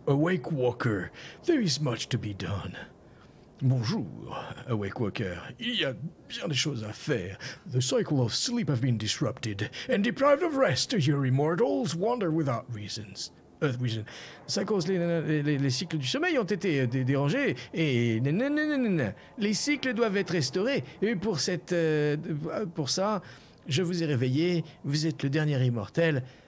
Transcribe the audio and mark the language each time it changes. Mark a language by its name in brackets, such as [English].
[English] Awake walker, there is much to be done. [French] Bonjour, Awake Walker. Il y a bien des choses à faire. [English] The cycle of sleep have been disrupted and deprived of rest. Your immortals wander without reasons. Reason. [French] Les cycles du sommeil ont été dérangés et les cycles doivent être restaurés. Et pour ça, je vous ai réveillé. Vous êtes le dernier immortel.